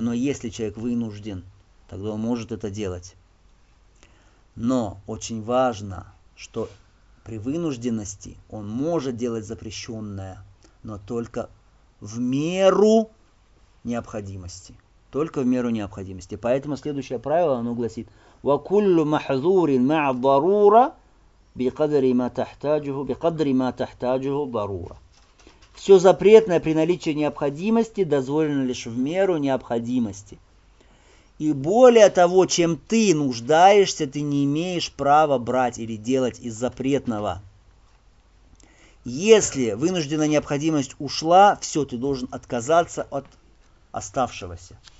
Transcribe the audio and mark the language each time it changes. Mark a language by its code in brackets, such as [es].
[ru] Но если человек вынужден, тогда он может это делать. Но очень важно, что при вынужденности он может делать запрещенное, но только в меру необходимости. Только в меру необходимости. Поэтому следующее правило, оно гласит: [ar] وَكُلُّ مَحْذُورٍ مَعَ الضَّرُورَ بِقَدْرِ مَا تَحْتَاجُهُ ضَرُورَ. [ru] Все запретное при наличии необходимости дозволено лишь в меру необходимости. И более того, чем ты нуждаешься, ты не имеешь права брать или делать из запретного. Если вынужденная необходимость ушла, все, ты должен отказаться от оставшегося.